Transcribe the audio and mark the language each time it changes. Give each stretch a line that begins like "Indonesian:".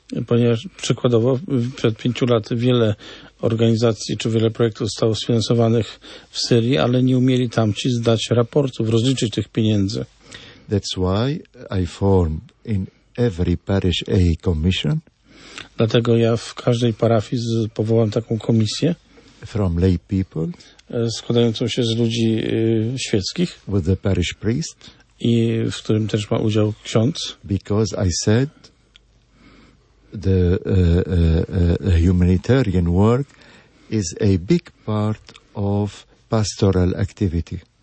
Polish: Ponieważ przykładowo przed 5 lat wiele organizacji czy wiele projektów zostało sfinansowanych w Syrii, ale nie umieli tamci zdać raportów, rozliczyć tych pieniędzy.
English: That's why I formed in every parish a commission.
Polish: Dlatego ja w każdej parafii powołam taką komisję.
English: From lay people.
Polish: Składającą się z ludzi świeckich.
English: With the parish priest.
Polish: I w którym też ma udział ksiądz.
English: Because I said the humanitarian work is a big part of pastoral activity.